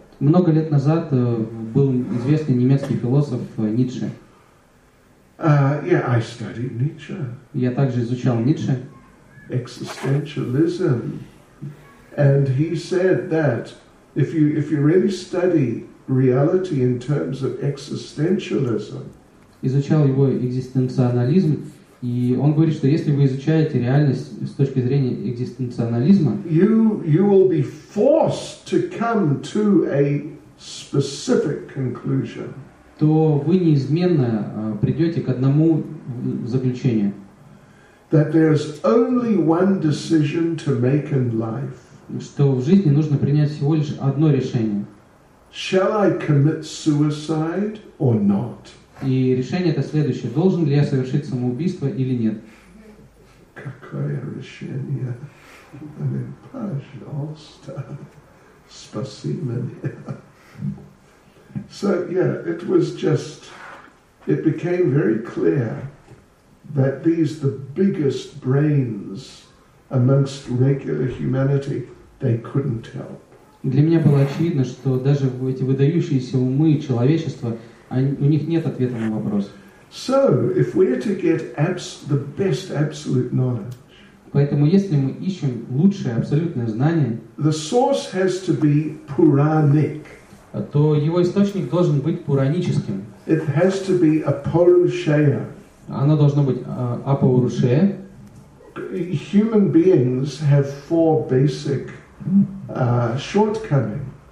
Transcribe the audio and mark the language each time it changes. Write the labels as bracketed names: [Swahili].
[Russian] Много лет назад был известный немецкий философ Ницше. [English] I studied Nietzsche. [Russian] Я также изучал Ницше. [English] Existentialism, and he said that if you really study reality in terms of existentialism, [Russian] изучал его экзистенциализм, и он говорит, что если вы изучаете реальность с точки зрения экзистенциализма, [English] you will be forced to come to a specific conclusion, [Russian] то вы неизменно придете к одному заключению. [English] That there is only one decision to make in life. [Russian] Что в жизни нужно принять всего лишь одно решение. [English] Shall I commit suicide or not? [Russian] И решение это следующее. Должен ли я совершить самоубийство или нет? Какое решение? Пожалуйста. Спаси меня. [English] So, yeah, it was just, it became very clear that these, the biggest brains amongst regular humanity, they couldn't help. [Russian] Для меня было очевидно, что даже эти выдающиеся умы человечества, у них нет ответа на вопрос. [English] So, if we're to get the best absolute knowledge, [Russian] поэтому если мы ищем лучшее абсолютное знание, [English] the source has to be Puranic. [Russian] То его источник должен быть пураническим. [English] It has to be a Purushaya. [Russian] Оно должно быть Апаурушея. [English] Human beings have four basic shortcomings.